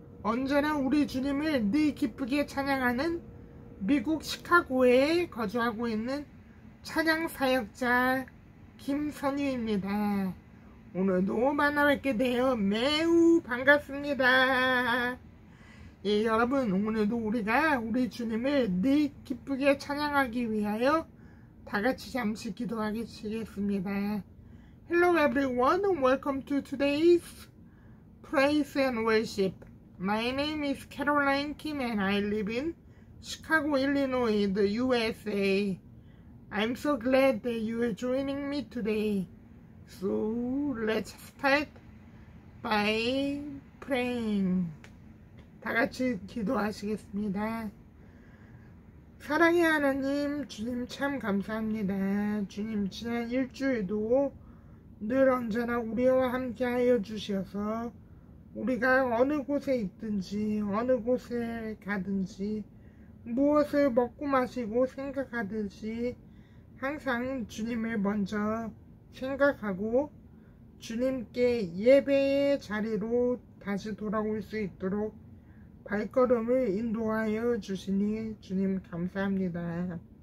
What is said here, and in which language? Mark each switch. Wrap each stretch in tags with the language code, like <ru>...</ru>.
<ko>언제나 우리 주님을 늘 기쁘게 찬양하는 미국 시카고에 거주하고 있는 찬양사역자 김선유입니다. 오늘도 만나뵙게 되어 매우 반갑습니다. 예, 여러분 오늘도 우리가 우리 주님을 늘 기쁘게 찬양하기 위하여 다같이 잠시 기도하겠습니다.</ko> <en>Hello everyone, welcome to today's praise and worship. My name is Caroline Kim and I live in Chicago, Illinois, the USA. I'm so glad that you are joining me today. So let's start by praying.</en> <ko>다같이 기도하시겠습니다. 사랑의 하나님, 주님 참 감사합니다. 주님, 지난 일주일도 늘 언제나 우리와 함께 하여 주셔서 우리가 어느 곳에 있든지 어느 곳에 가든지 무엇을 먹고 마시고 생각하든지 항상 주님을 먼저 생각하고 주님께 예배의 자리로 다시 돌아올 수 있도록 발걸음을 인도하여 주시니 주님 감사합니다.</ko>